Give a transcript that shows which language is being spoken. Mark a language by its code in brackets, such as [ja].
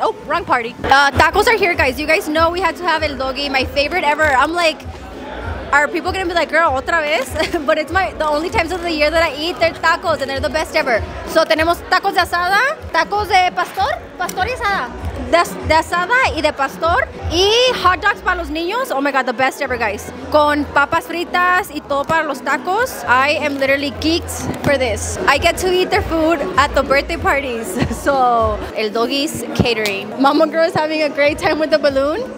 [en] Oh, wrong party. Tacos are here, guys. You guys know we had to have el doggy, my favorite ever. I'm like, are people gonna be like, girl, [es] otra vez? [en] But it's the only times of the year that I eat their tacos, and they're the best ever. [es] So tenemos tacos de asada, tacos de pastor, pastor y asada. De asada y de pastor, y hot dogs para los niños. [en] Oh my God, the best ever, guys. [es] Con papas fritas y todo para los tacos. [en] I am literally geeked for this. I get to eat their food at the birthday parties. So, El Doggy's Catering. Mama girl is having a great time with the balloon.